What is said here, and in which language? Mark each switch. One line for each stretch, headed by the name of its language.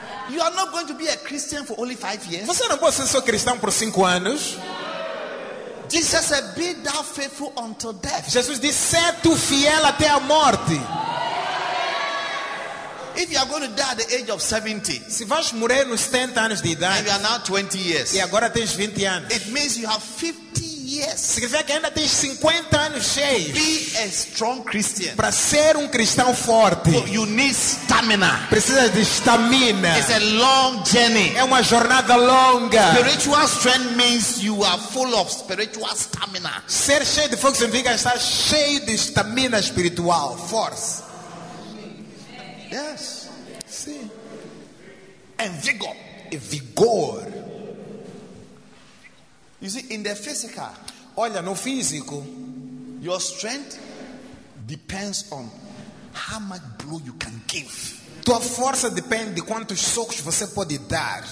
English: You are not going to be a Christian for only 5 years.
Portuguese: Você não pode ser só cristão por 5 anos.
English: Jesus said, "Be thou faithful unto death."
Portuguese: Jesus disse, "Ser tu fiel até a morte."
English: If you are going to die at the age of 70,
Portuguese: se vais morrer nos 70 anos de idade,
English: and you are now 20 years,
Portuguese: e agora tens 20 anos,
English: it means you have 50 years.
Portuguese: Significa que ainda tens 50 anos cheios.
English: Be a strong Christian.
Portuguese: Para ser cristão forte,
English: so you need stamina.
Portuguese: Precisas de stamina.
English: It's a long journey.
Portuguese: É uma jornada longa.
English: Spiritual strength means you are full of spiritual stamina.
Portuguese: Ser cheio de fogo significa estar cheio de stamina espiritual, força.
English: Yes. See. And vigor.
Portuguese: E vigor.
English: You see, in the physical.
Portuguese: Olha, no físico.
English: Your strength depends on how much blow you can give.
Portuguese: Tua força depende de quantos socos você pode dar.